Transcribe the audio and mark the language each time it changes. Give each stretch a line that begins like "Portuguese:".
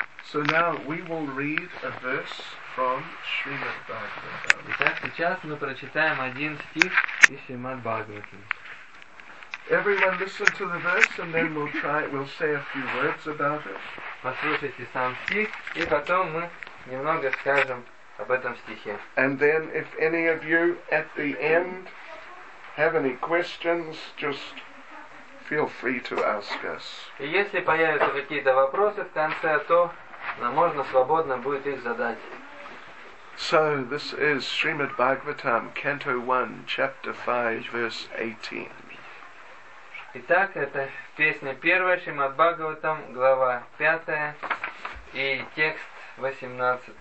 English: So now we will read a verse from Srimad Bhagavatam.
Russian: Итак, сейчас мы прочитаем один стих из Шримад Бхагаватам.
English: Everyone listen to the verse and then we'll say a few words about it.
Russian: Послушайте сам стих, и потом мы немного скажем об этом стихе.
English: And then if any of you at the end have any questions, just feel free to ask us.
Russian: И если появятся какие-то вопросы в конце, то можно свободно будет их задать.
English: So this is Srimad Bhagavatam, Canto 1, Chapter 5, Verse 18.
Russian: Итак, это песня первая Шримад Бхагаватам, глава 5 и текст 18.